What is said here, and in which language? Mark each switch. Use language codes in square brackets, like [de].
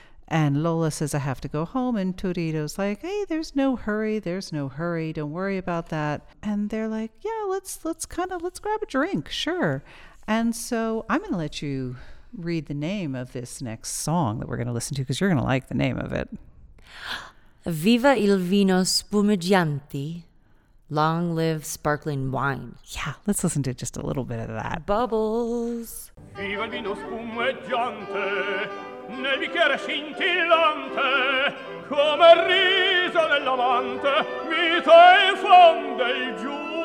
[en] And Lola says, I have to go home. And Turiddu's like, hey, there's no hurry. There's no hurry. Don't worry about that. And they're like, yeah, let's grab a drink. Sure. And so I'm going to let you read the name of this next song that we're going to listen to, because you're going to like the name of it. [it] Viva il vino spumeggianti. [en] Long live sparkling wine. Yeah, let's listen to just a little bit of that. Bubbles. [it] Viva il vino spumeggiante. Nel bicchiere scintillante, come il riso dell'amante, vita e fonde il giubilo.